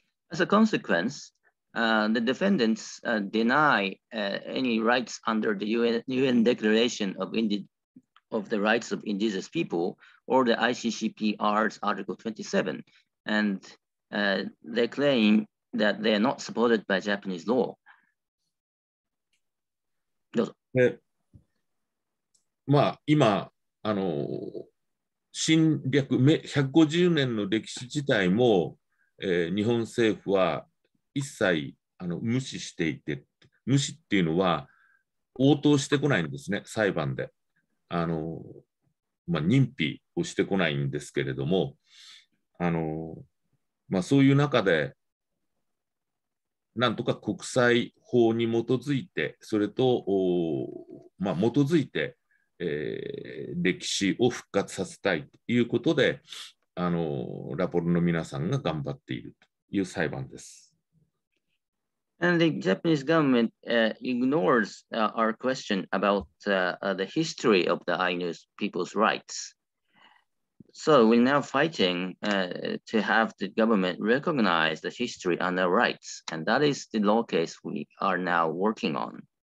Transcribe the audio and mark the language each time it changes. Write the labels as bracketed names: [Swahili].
[English] As a consequence, the defendants deny any rights under the UN Declaration of the Rights of Indigenous People or the ICCPR's Article 27, andthey claim that they are not supported by Japanese law. [Japanese] どうぞ。で、まあ、今、侵略、150年の歴史自体も、日本政府は一切無視していて、無視っていうのは応答してこないんですね、裁判で。まあ、認否をしてこないんですけれども、まあ、そういう中で、なんとか国際法に基づいて、それと、まあ、基づいて、歴史を復活させたいということで、ラポルの皆さんが頑張っているという裁判です。 [English] And the Japanese government ignores our question about the history of the Ainu people's rights. So we're now fighting to have the government recognize the history and the rights. And that is the law case we are now working on.